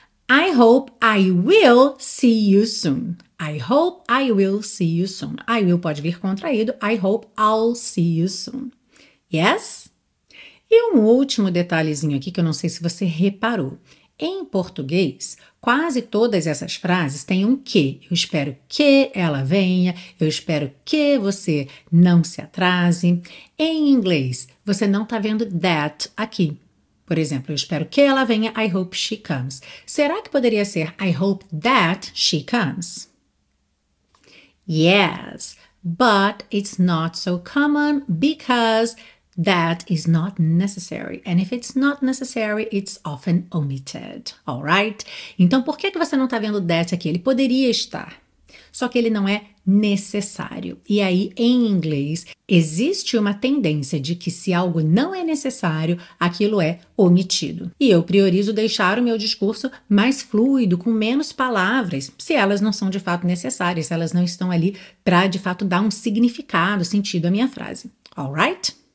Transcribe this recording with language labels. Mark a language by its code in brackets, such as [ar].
[en] I hope I will see you soon. I hope I will see you soon. I will [pt] pode vir contraído. [en] I hope I'll see you soon. Yes? [pt] E um último detalhezinho aqui que eu não sei se você reparou. Em português, quase todas essas frases têm um que. Eu espero que ela venha, eu espero que você não se atrase. Em inglês, você não está vendo that aqui. Por exemplo, eu espero que ela venha, [en] I hope she comes. [pt] Será que poderia ser [en] I hope that she comes? Yes, but it's not so common because that is not necessary. And if it's not necessary, it's often omitted. All right? [pt] Então, por que você não está vendo that aqui? Ele poderia estar. Só que ele não é necessário. E aí, em inglês, existe uma tendência de que se algo não é necessário, aquilo é omitido. E eu priorizo deixar o meu discurso mais fluido, com menos palavras, se elas não são de fato necessárias, se elas não estão ali para, de fato, dar um significado, sentido à minha frase. All right?